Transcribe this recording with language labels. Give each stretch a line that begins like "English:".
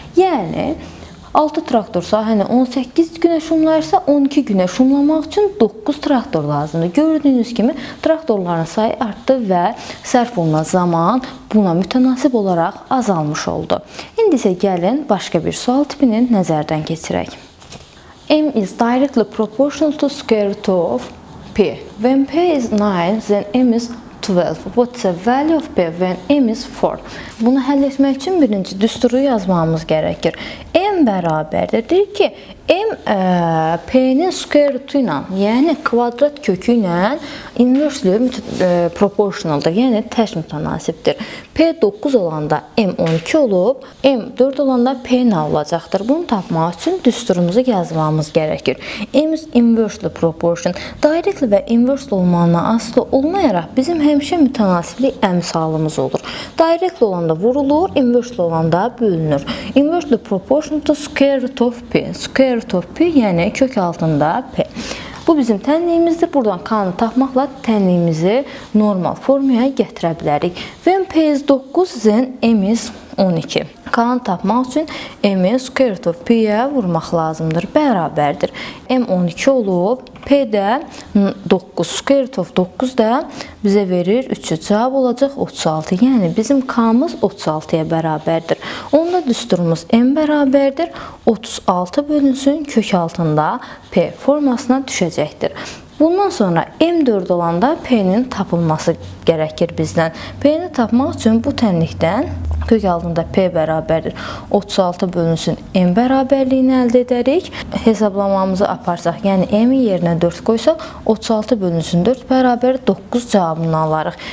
Azerbaijani: Yəni, 6 traktor sahəni 18 günə şumlayırsa, 12 günə şumlamaq üçün 9 traktor lazımdır. Gördüyünüz kimi, traktorların sayı artdı və sərf olunan zaman buna mütənasib olaraq azalmış oldu. İndi isə gəlin, başqa bir sual tipini nəzərdən keçirək.
English: M is directly proportional to square root of P. When P is 9, then M is 12. What's the value of P when M is 4?
Azerbaijani: Bunu həll etmək üçün birinci düsturu yazmamız gərəkir. M bərabərdir. Deyir ki, M P-nin square root ilə, yəni kvadrat kökü ilə inversely proportionaldır, yəni tərs mütənasibdir. P 9 olanda M 12 olub, M 4 olanda P nə olacaqdır? Bunu tapmaq üçün düsturumuzu yazmamız gərəkir.
English: M is inversely proportion.
Azerbaijani: Directly və inversely olmağına asılı olmayaraq bizim həmişə mütənasiblik əmsalımız olur. Directly olanda vurulur, inversely olanda bölünür.
English: Inversely proportion to square root of P. Square root of P,
Azerbaijani: yəni kök altında P. Bu bizim tənliyimizdir. Buradan K-nı tapmaqla tənliyimizi normal formaya gətirə bilərik.
English: When P is 9, then M is 12.
Azerbaijani: K-nı tapmaq üçün M-i
English: square root of P-yə
Azerbaijani: vurmaq lazımdır. Bərabərdir. M 12 olub, P-də 9, square root of 9 da bizə verir 3-ü. Cavab olacaq 36. Yəni, bizim K-mız 36-ya bərabərdir. Onda düsturumuz M bərabərdir. 36 bölünsün, kök altında P formasına düşəcəkdir. Bundan sonra M 4 olanda P-nin tapılması gərəkir bizdən. P-ni tapmaq üçün bu tənlikdən Kök aldığında P bərabərdir 36 bölünsün M bərabərliyini əldə edərik. Hesablamamızı aparsaq, yəni M-i yerinə 4 qoysaq, 36 bölünsün 4 bərabər 9 cavabını alarıq.